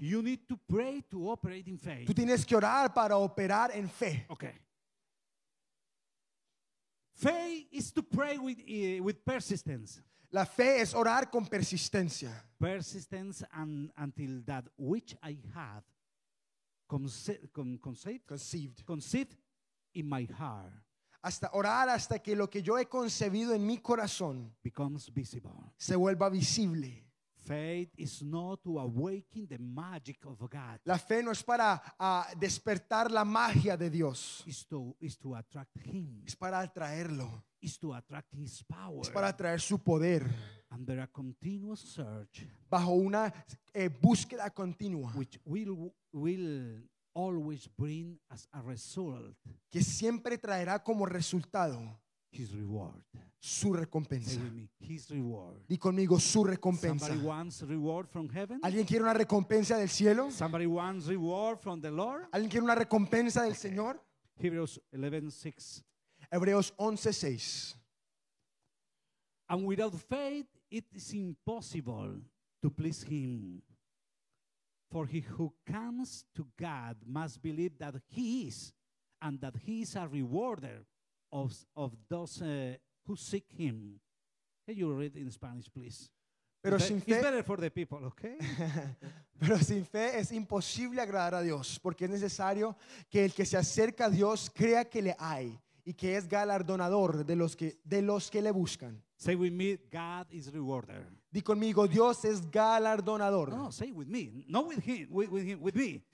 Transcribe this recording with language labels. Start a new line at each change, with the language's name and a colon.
English: You need to pray to operate in faith.
Spanish: Tú tienes que orar para operar en fe.
English: Okay. Faith is to pray with persistence.
Spanish: La fe es orar con persistencia.
English: Persistence and until that which I have conceived in my heart.
Spanish: Hasta orar hasta que lo que yo he concebido en mi corazón
English: becomes visible.
Spanish: Se vuelva visible.
English: Faith is not to awaken the magic of God.
Spanish: La fe no es para despertar la magia de Dios.
English: Is to attract him.
Spanish: Es para atraerlo.
English: Is to attract his power.
Spanish: Es para atraer su poder.
English: Under a continuous search.
Spanish: Bajo una búsqueda continua.
English: Which will always bring as a result.
Spanish: Que siempre traerá como resultado.
English: His reward.
Spanish: Su recompensa.
English: His reward.
Spanish: Di conmigo su recompensa.
English: Somebody wants reward from heaven?
Spanish: ¿Alguien quiere una recompensa del cielo?
English: Somebody wants reward from the Lord?
Spanish: ¿Alguien quiere una recompensa del
English: okay.
Spanish: Señor?
English: Hebrews 11:6.
Spanish: Hebreos 11:6.
English: And without faith it is impossible to please him. For he who comes to God must believe that he is and that he is a rewarder of those who seek him. Can you read in Spanish, please?
Spanish: Pero sin fe,
English: it's better for the people, okay?
Spanish: Pero sin fe es imposible agradar a Dios, porque es necesario que el que se acerca a Dios crea que le hay y que es galardonador de los que le buscan.
English: Say with me, God is rewarder.
Spanish: Di conmigo, Dios es galardonador.
English: No, say with me, not with him, with him, with me.